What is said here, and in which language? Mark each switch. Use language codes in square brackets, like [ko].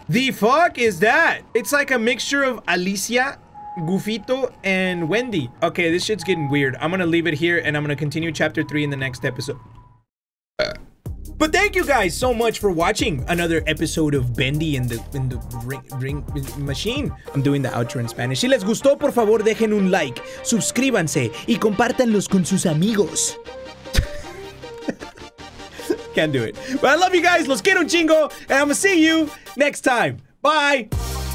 [en] The fuck is that? It's like a mixture of Alicia, Goofito, and Wendy. Okay, this shit's getting weird. I'm gonna leave it here and I'm gonna continue chapter 3 in the next episode. But thank you guys so much for watching another episode of Bendy in the ring machine. I'm doing the outro in Spanish. [es] Si les gustó, por favor, dejen un like, suscríbanse y compártanlos con sus amigos. [en] Can't do it. But I love you guys. [es] Los quiero un chingo. [en] And I'm going to see you next time. Bye.